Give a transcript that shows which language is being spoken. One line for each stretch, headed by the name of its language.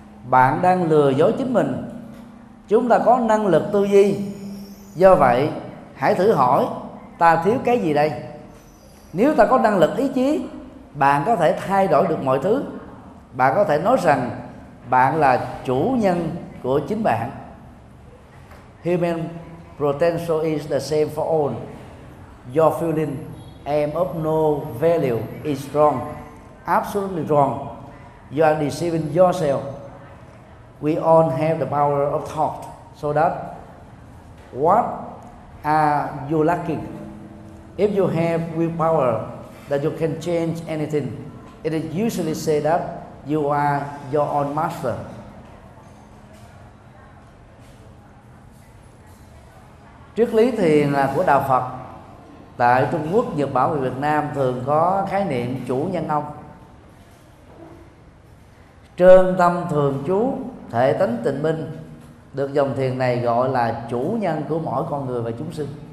Vietnamese: Bạn đang lừa dối chính mình. Chúng ta có năng lực tư duy, do vậy hãy thử hỏi ta thiếu cái gì đây. Nếu ta có năng lực ý chí, bạn có thể thay đổi được mọi thứ. Bạn có thể nói rằng bạn là chủ nhân của chính bạn.
English: Human potential is the same for all. Your feeling am of no value is wrong, absolutely wrong. You are deceiving yourself. We all have the power of thought, so that what are you lacking? If you have willpower that you can change anything, it is usually said that you are your own master.
Vietnamese: Triết lý thiền là của Đạo Phật. Tại Trung Quốc, Nhật Bản và Việt Nam thường có khái niệm chủ nhân ông. Trơn tâm thường trú, thể tánh tịnh minh, được dòng thiền này gọi là chủ nhân của mỗi con người và chúng sinh.